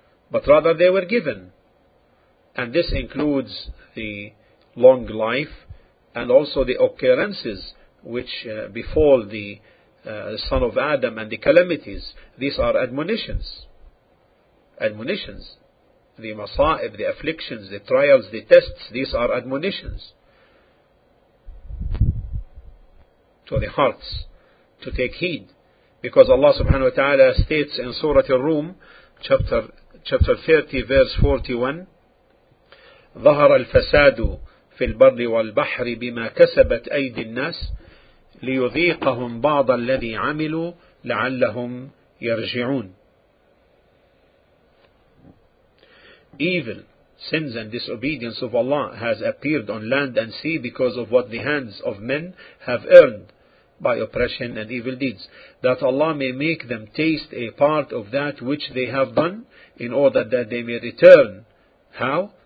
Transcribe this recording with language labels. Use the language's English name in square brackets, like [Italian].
[English] But rather they were given. And this includes the long life and also the occurrences which befall the son of Adam and the calamities. These are admonitions. Admonitions. The masa'ib, the afflictions, the trials, the tests, these are admonitions to the hearts to take heed. Because Allah subhanahu wa ta'ala states in Surah Ar-Rum, chapter 30, verse 41, [Arabic] ظهر الفساد في البر والبحر بما كسبت أيدي الناس ليذيقهم بعض الذي عملوا لعلهم يرجعون. [English] Evil, sins and disobedience of Allah has appeared on land and sea because of what the hands of men have earned by oppression and evil deeds, that Allah may make them taste a part of that which they have done, in order that they may return. How?